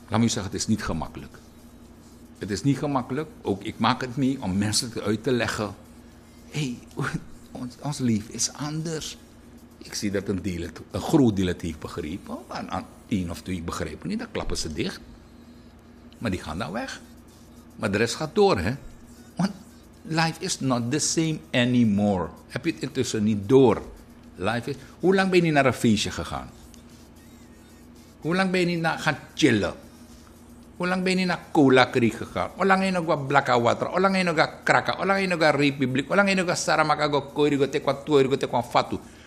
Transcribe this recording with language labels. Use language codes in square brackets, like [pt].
[nl] Laat me zeggen, het is niet gemakkelijk. Het is niet gemakkelijk, ook ik maak het mee om mensen uit te leggen. Hey, ons lief is anders. Ik zie dat een groot deel het heeft begrepen. Maar een of twee begrijpen niet, dan klappen ze dicht. Maar die gaan dan weg. Maar de rest gaat door, hè. Want [en] life is not the same anymore. [nl] Heb je het intussen niet door? [en] Life is. [nl] Hoe lang ben je naar een feestje gegaan? Hoe lang ben je naar gaan chillen? Hoe lang ben je naar Cola Creek gegaan? Hoe lang heb je nog wat blakke water? Hoe lang heb je nog wat krakken? Hoe lang heb je nog wat republiek? Hoe lang heb je nog wat saramaka, koirigo, tekwa, tuirigo, tekwa, fatu?